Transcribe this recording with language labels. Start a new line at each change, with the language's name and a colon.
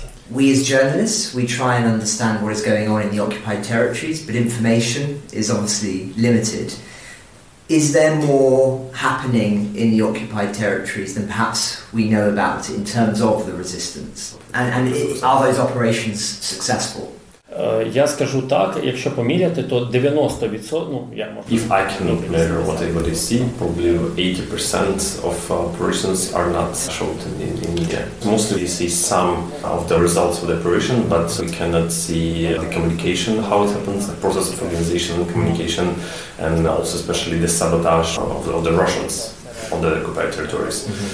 English: We as journalists, we try and understand what is going on in the occupied territories, but information is obviously limited. Is there more happening in the occupied territories than perhaps we know about in terms of the resistance? And are those operations successful?
Ukrainian: Я скажу так, якщо поміряти, то 90%, ну, я можу...
English: If I cannot measure what everybody see, probably 80% of operations are not showed in media. Mostly we see some of the results of the operation, but we cannot see the communication, how it happens, the process of organization and communication, and also especially the sabotage of the Russians on the occupied territories.